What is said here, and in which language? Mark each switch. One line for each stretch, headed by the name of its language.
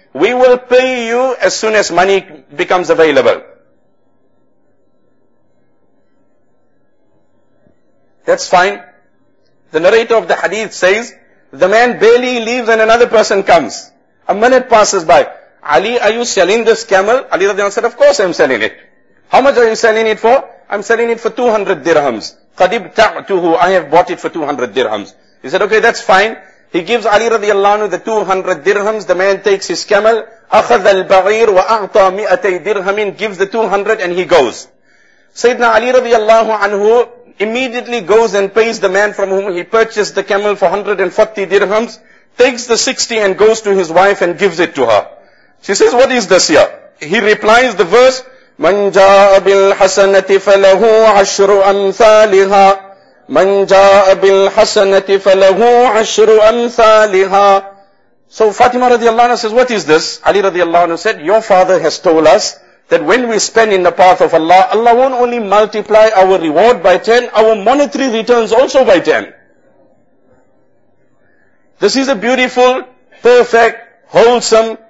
English: We will pay you as soon as money becomes available. That's fine. The narrator of the hadith says, the man barely leaves and another person comes. A minute passes by. Ali, are you selling this camel? Ali radiallahu said, of course I'm selling it. How much are you selling it for? I'm selling it for 200 dirhams.
Arabic: Qadib ta'tuhu,
English: I have bought it for 200 dirhams. He said, okay, that's fine. He gives Ali radiallahu anhu the 200 dirhams. The man takes his camel.
Arabic: أخذ البعير وأعطى 200 dirhamin,
English: gives the 200 and he goes. Sayyidina Ali radiallahu anhu immediately goes and pays the man from whom he purchased the camel for 140 dirhams, takes the 60 and goes to his wife and gives it to her. She says, what is this here? He replies the verse,
Arabic: مَنْ جَاءَ بِالْحَسَنَةِ فَلَهُ عَشْرُ أَمْثَالِهَا مَنْ جَاءَ بِالْحَسَنَةِ فَلَهُ عَشْرُ أَمْثَالِهَا.
English: So Fatima radiallahu anhu says, what is this? Ali radiallahu anhu said, your father has told us that when we spend in the path of Allah, Allah won't only multiply our reward by 10, our monetary returns also by 10. This is a beautiful, perfect, wholesome,